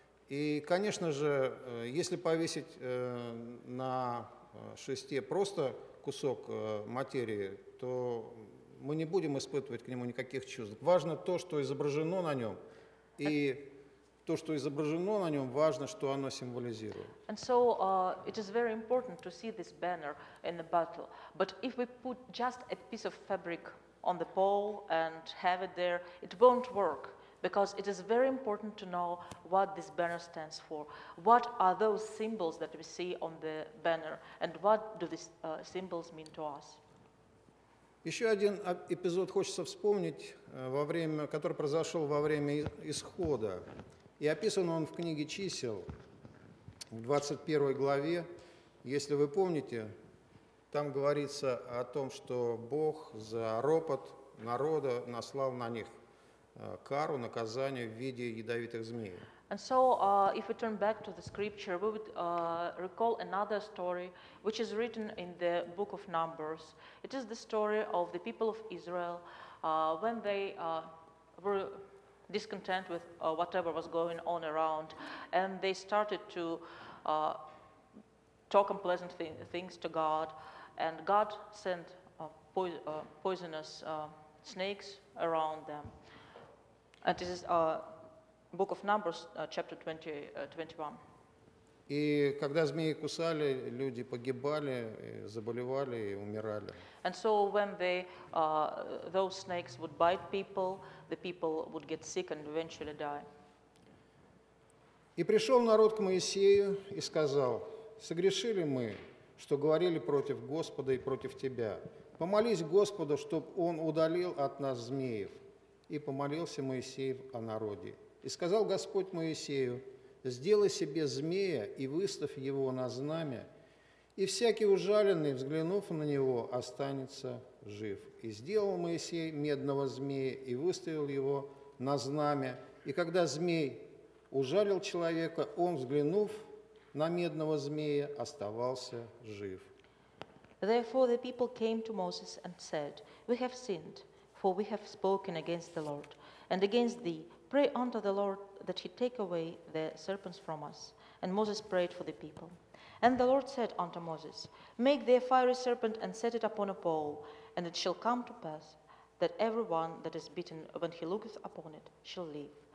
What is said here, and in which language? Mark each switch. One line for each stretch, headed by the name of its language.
Russian: И, конечно же, если повесить на шесте просто кусок материи, то мы не будем испытывать к нему никаких чувств. Важно то, что изображено на нем, и то, что изображено на нем, важно, что оно символизирует.
English: And so it is very important to see this banner in the battle. But if we put just a piece of fabric on the pole and have it there, it won't work, because it is very important to know what this banner stands for. What are those symbols that we see on the banner, and what do these symbols mean to us?
Russian: Еще один эпизод хочется вспомнить, который произошел во время исхода. И описан он в книге чисел, в 21 главе. Если вы помните, там говорится о том, что Бог за ропот народа наслал на них кару, наказание в виде ядовитых змей.
English: And so, if we turn back to the scripture, we would recall another story, which is written in the book of Numbers. It is the story of the people of Israel when they were discontent with whatever was going on around, and they started to talk unpleasant things to God, and God sent poisonous snakes around them. And this is Book of Numbers, chapter 21.
Russian: И когда змеи кусали, люди погибали, заболевали и умирали.
English: And so when they, those snakes would bite people, the people would get sick and eventually die.
Russian: И пришел народ к Моисею и сказал: «Согрешили мы, что говорили против Господа и против тебя. Помолись Господу, чтоб он удалил от нас змеев». И помолился Моисей о народе. И сказал Господь Моисею: сделай себе змея и выставь его на знамя, и всякий ужаленный, взглянув на него, останется жив. И сделал Моисей медного змея и выставил его на знамя. И когда змей ужалил человека, он, взглянув на медного змея, оставался жив.
English: Therefore the people came to Moses and said, we have sinned, for we have spoken against the Lord and against thee. Pray unto the Lord that he take away the serpents from us. And Moses prayed for the people. And the Lord said unto Moses, make thee a fiery serpent and set it upon a pole, and it shall come to pass that every one that is bitten, when he looketh upon it, shall live.